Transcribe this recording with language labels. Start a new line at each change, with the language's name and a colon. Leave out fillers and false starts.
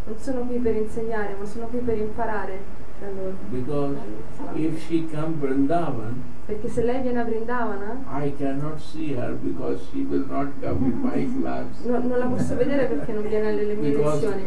Italian: Non sono qui per insegnare, ma sono qui per imparare da loro.
English: Because if she come Vrindavan.
Italian: Perché se lei viene a Vrindavana,
English: I cannot see her because she will not come in my class.
Italian: No, non la posso vedere perché non viene alle mie lezioni.